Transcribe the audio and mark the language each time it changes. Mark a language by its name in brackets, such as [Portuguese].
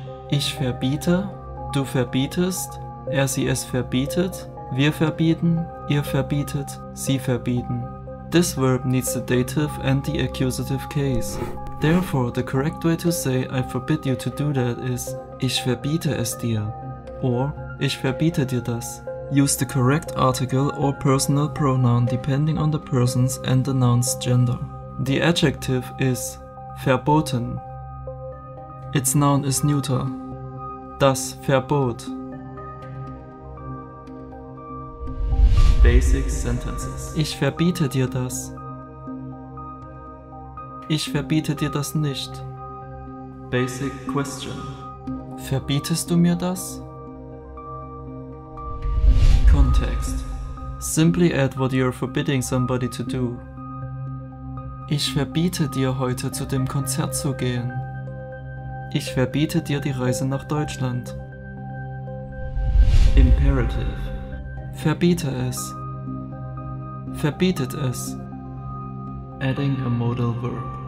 [German] Ich verbiete, du verbietest, er sie es verbietet, wir verbieten, ihr verbietet, sie verbieten. [English] This verb needs the dative and the accusative case. Therefore, the correct way to say I forbid you to do that is [German] Ich verbiete es dir [English] or [German] Ich verbiete dir das. [English] Use the correct article or personal pronoun depending on the person's and the noun's gender. The adjective is verboten. Its noun is neuter. [German] Das Verbot. [English] Basic sentences. [German] Ich verbiete dir das. Ich verbiete dir das nicht. [English] Basic question. [German] Verbietest du mir das? [English] Context. Simply add what you're forbidding somebody to do. [German] Ich verbiete dir heute zu dem Konzert zu gehen. Ich verbiete dir die Reise nach Deutschland. [English] Imperative. [German] Verbiete es. Verbietet es. [English] Adding a modal verb.